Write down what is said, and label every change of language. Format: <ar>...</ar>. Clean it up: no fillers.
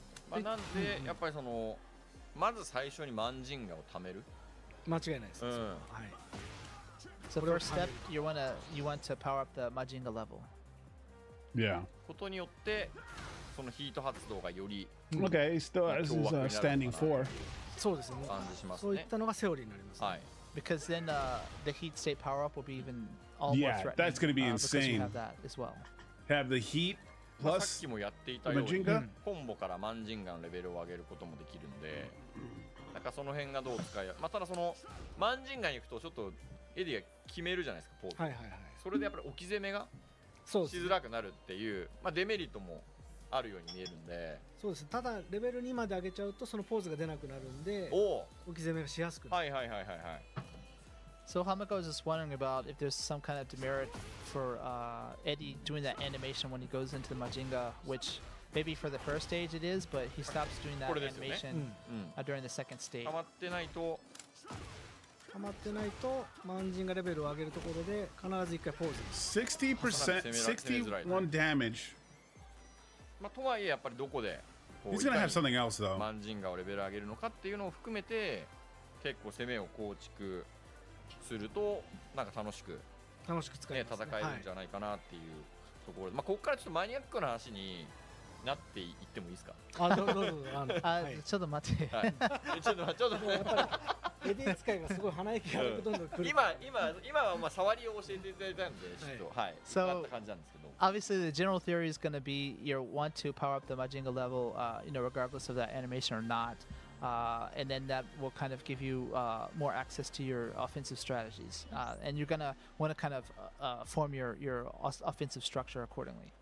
<ja>まあなんでやっぱりそのまず最初にマンジンガを貯める。間違いないです。うん。はい。</ja> <en>So first step, you want to power up the Majinga level. Yeah.</en> <ja>ことによってそのヒート発動がより。</ja> <en>Okay, still as is a standing four.</en> <ja>そうですね。感じしますね。そういったのがセオリーになります。はい。</ja> <en>Because then the heat state power up will be even all yeah, more threatening. Yeah, that's going to be insane. Have that as well. Have the heat plus</en> <ja>Majinga. Combo から Manjinga のレベルを上げることもできるんで、なんかその辺がどう使え、まあただその Manjinga に行くとちょっとエディが決めるじゃないですかポーズ。はいはいはい。それでやっぱり置き攻めがしづらくなるっていう、まあデメリットもあるように見えるんで。そうです。ただレベル2まで上げちゃうとそのポーズが出なくなるんで、お置き攻めがしやすくなる。はいはいはいはいはい。</ja> <en>So Hamako was just wondering about if there's some kind of demerit for Eddy doing that animation when he goes into the Majinga, which maybe for the first stage it is, but he stops doing that animation、</en> <ja>ね、</ja> <en>during the second stage.</en> <ja>ハマってないと、ハマってないとマンジンがレベルを上げるところで必ず一回ポーズ。</ja> <en>60%、61 damage。</en> <ja>まあとはいえやっぱりどこで、</ja> <en>He's gonna have something else though。</en> <ja>マンジンがレベル上げるのかっていうのを含めて結構攻めを構築。するとなんか楽しく使います、ねね、戦えるんじゃないかなっていうところで、はい、まあここからちょっとマニアックな話になっていってもいいですか？あ、どうぞあの、はい、ちょっと待って、はい、ちょっとやっぱりエディ使いがすごい鼻息がどんどん来る、うん、今はまあ触りを教えていただいたんでちょっとはい、そうなった感じなんですけど、</ja> <en>obviously the general theory is going to be you want to power up the Majinga level you know regardless of that animation or notAnd then that will kind of give you more access to your offensive strategies. And you're going to want to kind of form your offensive structure accordingly.</en>